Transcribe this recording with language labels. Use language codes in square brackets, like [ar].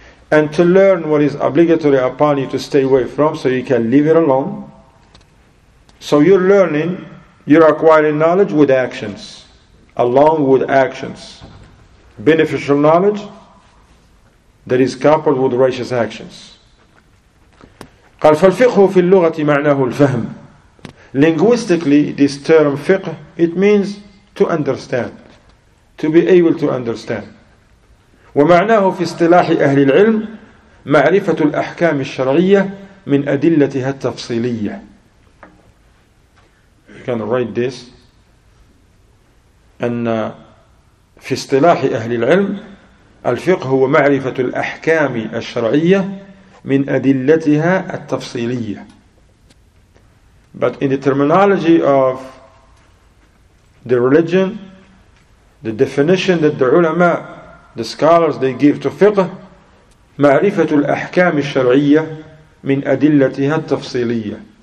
[en] And to learn what is obligatory upon you to stay away from so you can leave it alone. So you're learning, you're acquiring knowledge with actions. Along with actions. Beneficial knowledge that is coupled with righteous actions. [ar] قال فالفقه في اللغة معناه الفهم. [en] Linguistically, this term fiqh, it means to understand, to be able to understand. [ar] ومعناه في اصطلاح أهل العلم معرفة الأحكام الشرعية من أدلتها التفصيلية. [en] You can write this. [ar] أن في اصطلاح أهل العلم الفقه هو معرفة الأحكام الشرعية من أدلتها التفصيلية. [en] But in the terminology of the religion, the definition that the ulama, the scholars, they give to fiqh, [ar] معرفة الأحكام الشرعية من أدلتها التفصيلية.